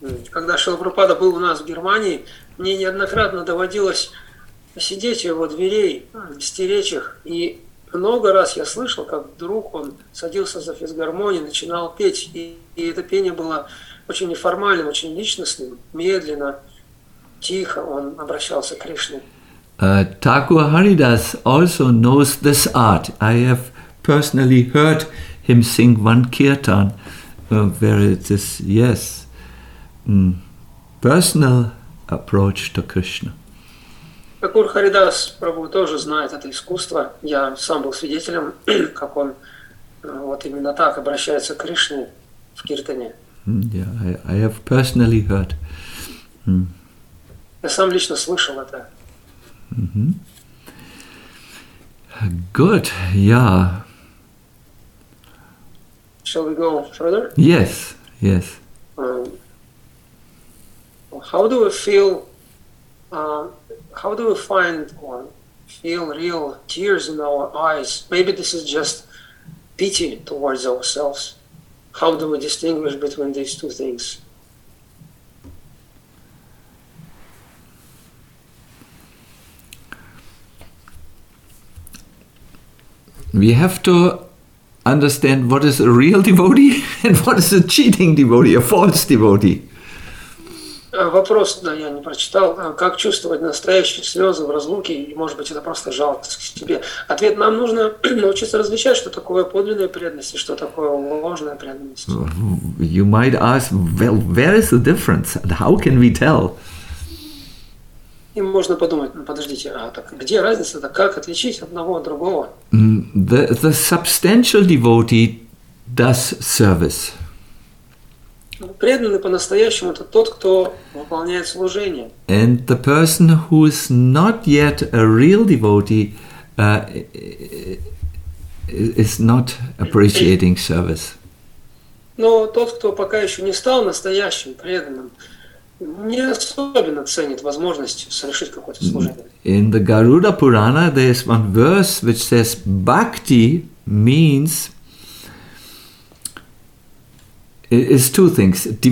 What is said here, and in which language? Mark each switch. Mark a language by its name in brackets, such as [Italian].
[Russian] Когда Шрила Прабхупада был у нас в Германии, мне неоднократно доводилось сидеть у его дверей, вести речи, и много раз я слышал, как вдруг он садился за физгармонию, начинал петь, и это пение было очень неформальным, очень личностным, медленно, тихо он обращался к Кришне. [English] Thakur Haridas also knows this art. I have personally heard him sing one kirtan where it is, yes, personal approach to Krishna. [Russian] Thakur Haridas Prabhu тоже знает это искусство. Я сам был свидетелем, как он вот именно так обращается к Кришне в киртане. [English] Yeah, I have personally heard. [Russian] Я сам лично слышал это. [English] Good, yeah. Shall we go further? Yes, yes. How do we feel, how do we find or feel real tears in our eyes? Maybe this is just pity towards ourselves. How do we distinguish between these two things? We have to understand what is a real devotee and what is a cheating devotee, a false devotee. [Russian] Вопрос, да, я не прочитал. Как чувствовать настоящие слезы в разлуке? И, может быть, это просто жалость к себе. Ответ: нам нужно научиться различать, что такое подлинная преданность и что такое ложная преданность. [English] You might ask, well, where is the difference? And how can we tell? [Russian] И можно подумать, ну подождите, а так где разница, так как отличить одного от другого? [English] The substantial devotee does service. [Russian] Преданный по-настоящему это тот, кто выполняет служение. [English] And the person who is not yet a real devotee is not appreciating service. [Russian] Но тот, кто пока еще не стал настоящим преданным, не особенно ценит возможность совершить какое-то служение. [English] In the Garuda Purana there is one verse which says bhakti means is two things.